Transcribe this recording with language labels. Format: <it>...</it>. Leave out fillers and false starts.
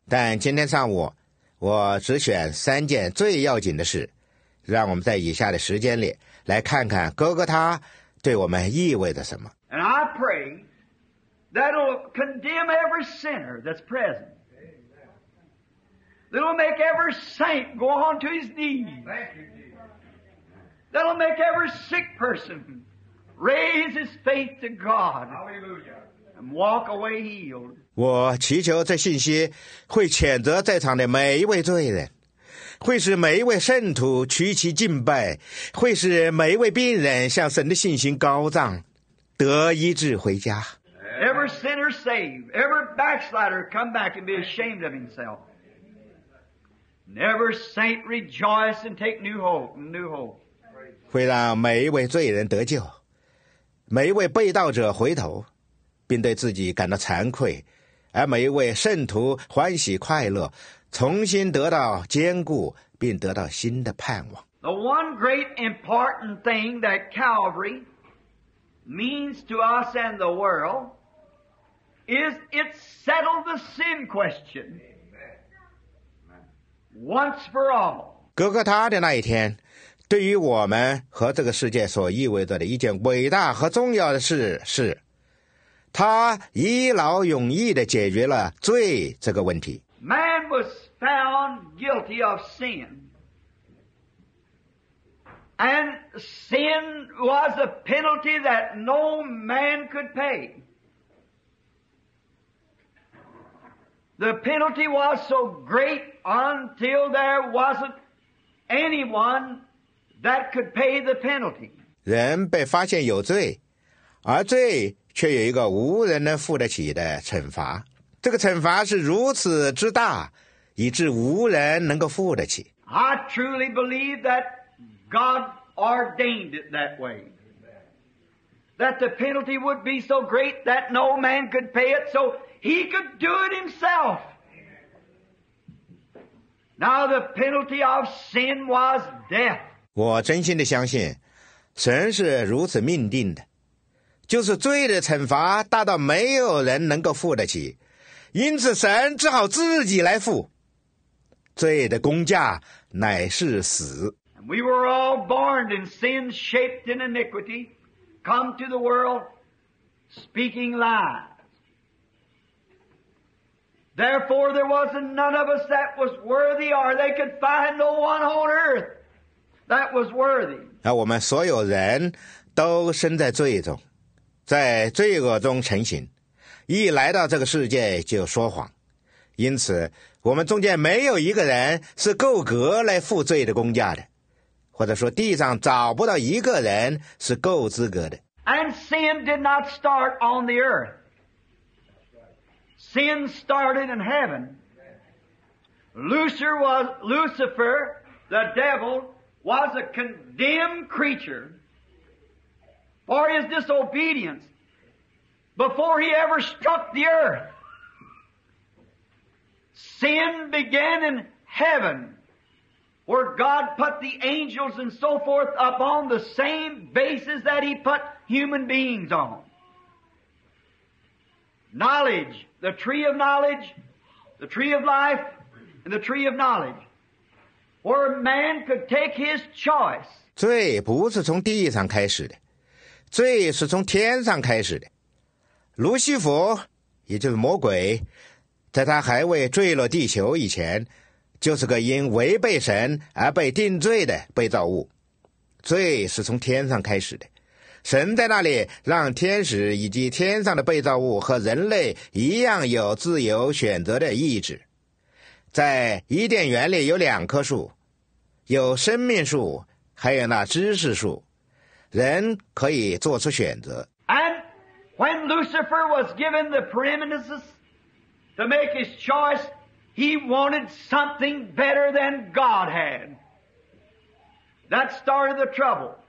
<zh>但今天上午我只选三件最要紧的事，让我们在以下的时间里来看看哥哥他对我们意味着什么。</zh> <en>And I pray that will condemn every sinner that's present. That'll make every saint go on to his knees. That'll make every sick person raise his faith to God and walk away healed.</en> <zh>我祈求这信息会谴责在场的每一位罪人，会使每一位圣徒屈膝敬拜，会使每一位病人向神的信心高涨，得医治回家。</zh> <en>Every sinner saved, every backslider come back and be ashamed of himself. Never saint rejoice and take new hope, new hope.</en> <zh>会让每一位罪人得救，每一位被盗者回头，并对自己感到惭愧，而每一位圣徒欢喜快乐，重新得到坚固，并得到新的盼望。</zh> <en>The one great important thing that Calvary means to us and the world is it settled the sin question. Once for all.</en> <zh>哥哥他的那一天对于我们和这个世界所意味着的一件伟大和重要的事是他一劳永逸地解决了罪这个问题。</zh> <en>Man was found guilty of sin. And sin was a penalty that no man could pay. The penalty was so greatUntil there wasn't anyone that could pay the penalty.</en> <zh>人被发现有罪，而罪却有一个无人能负得起的惩罚。这个惩罚是如此之大，以致无人能够负得起。</zh> <en>I truly believe that God ordained it that way. That the penalty would be so great that no man could pay it, so he could do it himself. Now the penalty of sin was death.</en> <zh>我真心地相信神是如此命定的，就是罪的惩罚大到没有人能够负得起，因此神只好自己来负。罪的工价乃是死。</zh> <en>We were all born in sin shaped in iniquity, come to the world speaking lies. Therefore, there was none of us that was worthy, or they could find no one on earth that was worthy.</en> <zh>那我们所有人都生在罪中，在罪恶中成形，一来到这个世界就说谎，因此我们中间没有一个人是够格来负罪的工价的，或者说地上找不到一个人是够资格的。</zh> <en>And sin did not start on the earth. Sin started in heaven. Lucifer, the devil, was a condemned creature for his disobedience before he ever struck the earth. Sin began in heaven, where God put the angels and so forth upon the same basis that he put human beings on. Knowledge. The tree of knowledge, the tree of life and the tree of knowledge, where man could take his choice.</en> <zh>罪不是从地上开始的，罪是从天上开始的。卢西弗，也就是魔鬼，在他还未坠落地球以前，就是个因违背神而被定罪的被造物。罪是从天上开始的，神在那里让天使以及天上的被造物和人类一样有自由选择的意志。在伊甸园里有两棵树，有生命树，还有那知识树，人可以做出选择。</zh> <en>And when Lucifer was given the preeminence to make his choice, he wanted something better than God had. That started the trouble.</en>